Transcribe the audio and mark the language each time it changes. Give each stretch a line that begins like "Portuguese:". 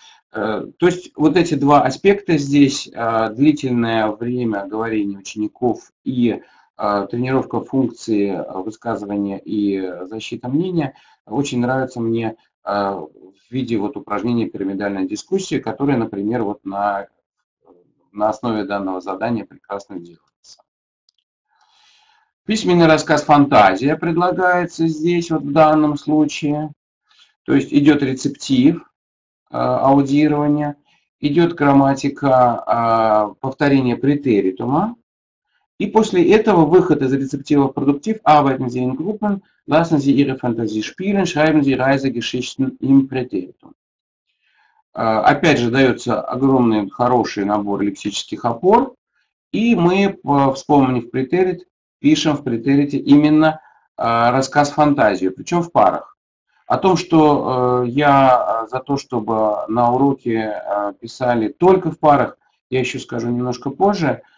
Russian: То есть вот эти два аспекта здесь, длительное время говорения учеников и тренировка функции высказывания и защита мнения, очень нравится мне в виде вот упражнения пирамидальной дискуссии, которая, например, вот на основе данного задания прекрасно делается. Письменный рассказ «Фантазия» предлагается здесь, вот в данном случае. То есть идет рецептив аудирования, идет грамматика повторения претеритума. И после этого выход из рецептива в продуктив
German: «Arbeiten Sie in Gruppen, lassen Sie Ihre Fantasie spielen, schreiben Sie Reisegeschichten im Präteritum».
Russian: Опять же, дается огромный, хороший набор лексических опор, и мы, вспомнив претерит, пишем в претерите именно рассказ-фантазию, причем в парах. О том, что я за то, чтобы на уроке писали только в парах, я еще скажу немножко позже.